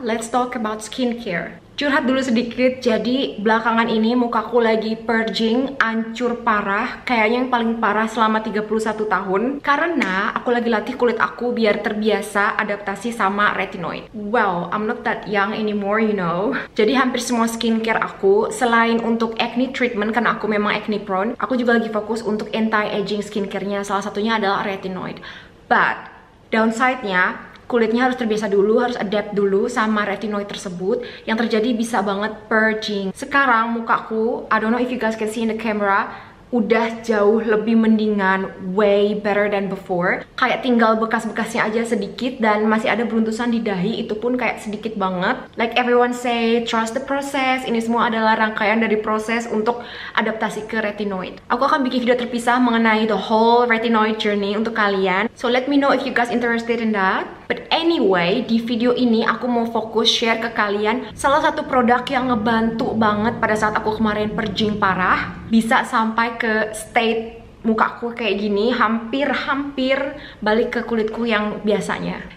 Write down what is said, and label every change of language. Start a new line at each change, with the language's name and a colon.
English: Let's talk about skincare.
Indonesian: Curhat dulu sedikit, jadi belakangan ini mukaku lagi purging, ancur parah, kayaknya yang paling parah selama 31 tahun. Karena aku lagi latih kulit aku biar terbiasa adaptasi sama retinoid.
English: Well, I'm not that young anymore, you know.
Indonesian: Jadi hampir semua skincare aku, selain untuk acne treatment, karena aku memang acne prone, aku juga lagi fokus untuk anti-aging skincare-nya, salah satunya adalah retinoid. But, downside-nya, kulitnya harus terbiasa dulu, harus adapt dulu sama retinoid tersebut. Yang terjadi bisa banget purging. Sekarang mukaku,
English: I don't know if you guys can see in the camera,
Indonesian: udah jauh lebih mendingan,
English: way better than before.
Indonesian: Kayak tinggal bekas-bekasnya aja sedikit dan masih ada beruntusan di dahi, itu pun kayak sedikit banget.
English: Like everyone say, trust the process.
Indonesian: Ini semua adalah rangkaian dari proses untuk adaptasi ke retinoid. Aku akan bikin video terpisah mengenai the whole retinoid journey untuk kalian.
English: So let me know if you guys interested in that.
Indonesian: But anyway, di video ini aku mau fokus share ke kalian salah satu produk yang ngebantu banget pada saat aku kemarin purging parah. Bisa sampai ke state mukaku kayak gini, hampir-hampir balik ke kulitku yang biasanya.